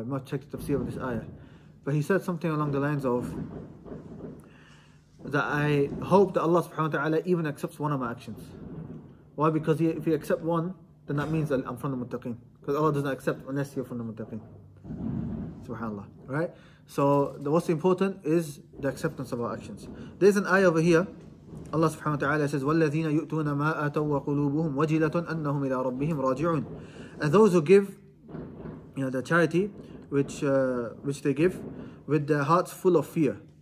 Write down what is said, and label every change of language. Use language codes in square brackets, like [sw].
[en] I might check the tafsir of this ayah. But he said something along the lines of, that I hope that Allah subhanahu wa ta'ala even accepts one of my actions. Why? Because if you accept one, then that means that I'm from the muttaqeen. Because Allah doesn't accept unless you're from the muttaqeen. Subhanallah. Right? So what's important is the acceptance of our actions. There's an ayah over here. Allah subhanahu wa ta'ala says, [ar] وَالَّذِينَ يُؤْتُونَ مَا آتَوا وَقُلُوبُهُمْ وَجِلَةٌ أَنَّهُمْ إِلَىٰ رَبِّهِمْ رَاجِعُونَ. [en] And those who give, you know, the charity which they give with their hearts full of fear.